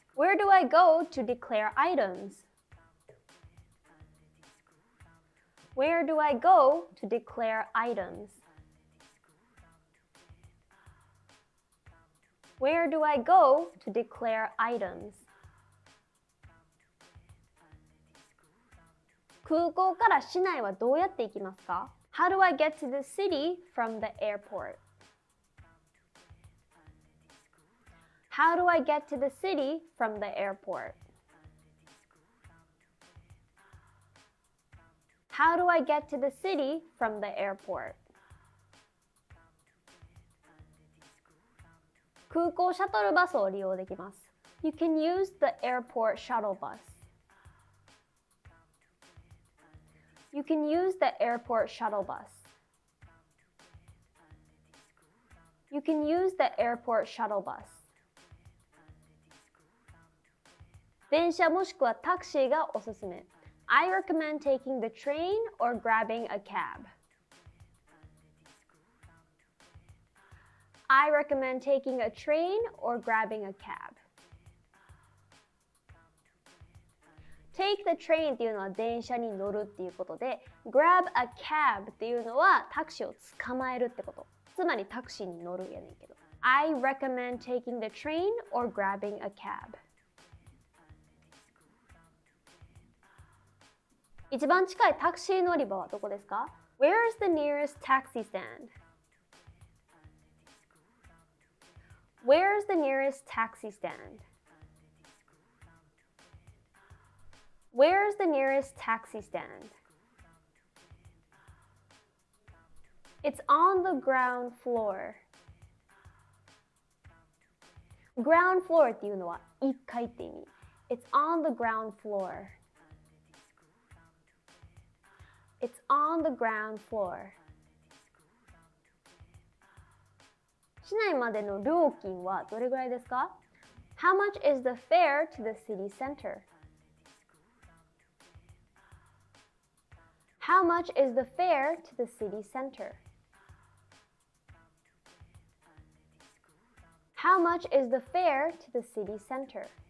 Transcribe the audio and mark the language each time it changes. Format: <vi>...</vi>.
<en>Where do I go to declare itemsWhere do I go to declare items? Where do I go to declare items?</en> <ja>空港から市内はどうやって行きますか?</ja> <en>How do I get to the city from the airport? How do I get to the city from the airport? How do I get to the city from the airport?</en> <ja>空港シャトルバスを利用できます。</ja> <en>You can use the airport shuttle bus. You can use the airport shuttle bus. You can use the airport shuttle bus.</en> <ja>電車もしくはタクシーがおすすめ。</ja> <en>I recommend taking the train or grabbing a cab. I recommend taking a train or grabbing a cab. Take the train</en> <ja>っていうのは電車に乗るっていうことで</ja> <en>grab a cab</en> <ja>っていうのはタクシーを捕まえるってこと。つまりタクシーに乗るやねんけど。</ja> <en>I recommend taking the train or grabbing a cab.</en> <ja>一番近いタクシー乗り場はどこですか?</ja> <en>Where is the nearest taxi stand? Where is the nearest taxi stand? Where is the nearest taxi stand? It's on the ground floor. Ground floor</en> <ja>っていうのは一階って意味。</ja> <en>It's on the ground floor. It's on the ground floor.</en> <ja>市内までの料金はどれぐらいですか?</ja> <en>How much is the fare to the city center? How much is the fare to the city center? How much is the fare to the city center?</en>